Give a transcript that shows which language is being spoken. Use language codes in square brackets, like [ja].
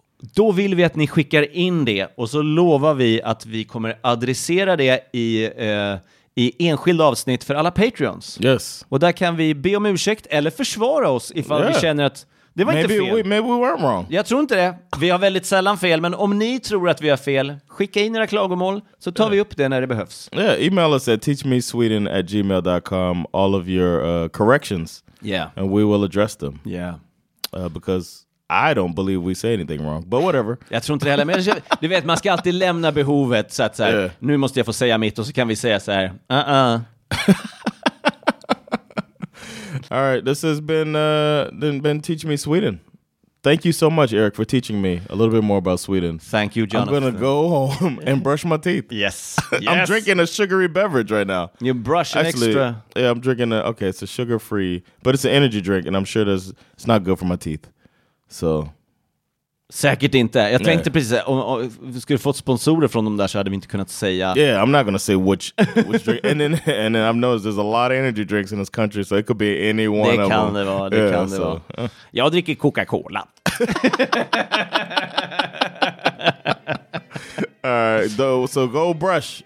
[sv] Då vill vi att ni skickar in det, och så lovar vi att vi kommer adressera det i enskilda avsnitt för alla Patreons. [en] Yes. [sv] Och där kan vi be om ursäkt eller försvara oss ifall vi känner att det var [en] maybe [sv] inte fel. [en] Maybe we weren't wrong. [sv] Jag tror inte det. Vi har väldigt sällan fel, men om ni tror att vi har fel, skicka in era klagomål, så tar vi upp det när det behövs. [en] Yeah, email us at teachmesweden@gmail.com all of your corrections. Yeah. And we will address them. Yeah. Because I don't believe we say anything wrong, but whatever. [sv] Jag tror inte det heller, men du vet, man ska alltid lämna behovet så att så här, nu måste jag få säga mitt, och så kan vi säga så här, [en] All right, this has been Teach Me Sweden. thank you so much, Eric, for teaching me a little bit more about Sweden. Thank you, Jonathan. I'm going to go home and brush my teeth. Yes. I'm drinking a sugary beverage right now. You brush extra. Yeah, I'm drinking it's a sugar-free, but it's an energy drink, and I'm sure it's not good for my teeth. So... [sv] Säkert inte. Jag tänkte precis om vi skulle fått sponsorer från dem där, så hade vi inte kunnat säga. [en] Yeah, I'm not gonna say which drink. And then I've noticed there's a lot of energy drinks in this country, so it could be any one of them. [sv] Det kan det vara. Jag dricker Coca-Cola. [en] So go brush.